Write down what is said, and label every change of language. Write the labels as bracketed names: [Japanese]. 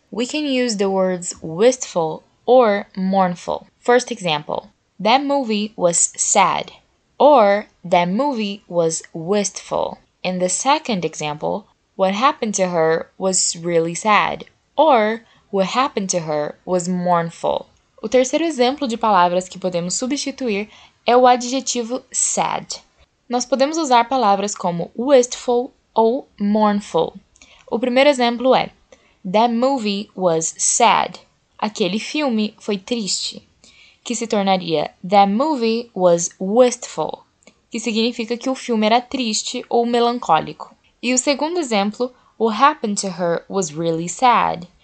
[English] We can use the words wistful or mournful. First example, that movie was sad, or that movie was wistful. In the second example, what happened to her was really sad, or what happened to her was mournful. [Portuguese] O terceiro exemplo de palavras que podemos substituir é o adjetivo sad. Nós podemos usar palavras como wistful ou mournful. O primeiro exemplo é, [English] that movie was sad. [Portuguese] Aquele filme foi triste, que se tornaria [English] that movie was wistful, [Portuguese] que significa que o filme era triste ou melancólico. E o segundo exemplo, [English] what happened to her was really sad.